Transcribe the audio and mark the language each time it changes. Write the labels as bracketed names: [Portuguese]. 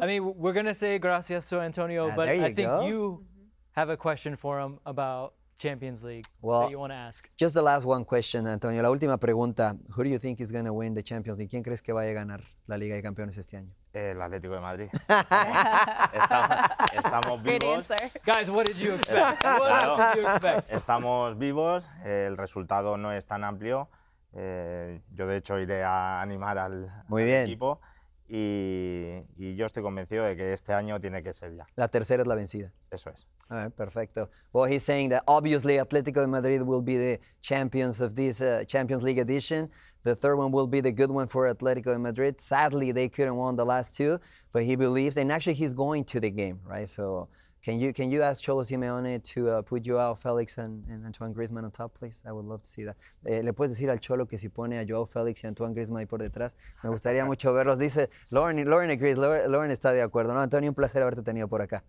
[English] I mean, we're gonna say gracias to Antonio, but I think you have a question for him about Champions League that you want to ask. Just the last one question, [Spanish] Antonio. La última pregunta. [English] Who do you think is going to win the Champions League? [Spanish] ¿Quién crees que vaya a ganar la Liga de Campeones este año? El Atlético de Madrid. estamos vivos. [English] Great answer. Guys, what did you expect? What else did you expect? [Spanish] Estamos vivos. El resultado no es tan amplio. Yo, de hecho, iré a animar al equipo. Y yo estoy convencido de que este año tiene que ser ya. La tercera es la vencida. Eso es. [English] All right, perfecto. Well, he's saying that obviously Atletico de Madrid will be the champions of this Champions League edition. The third one will be the good one for Atletico de Madrid. Sadly, they couldn't win the last two, but he believes, and actually he's going to the game, right? So Can you ask Cholo Simeone to put Joao Félix and Antoine Griezmann on top, please? I would love to see that. [Spanish] Le puedes decir al Cholo que si pone a Joao Félix y Antoine Griezmann ahí por detrás, me gustaría mucho verlos. Dice [English] Lauren agrees. [Spanish] Lauren está de acuerdo. No, Antonio, un placer haberte tenido por acá.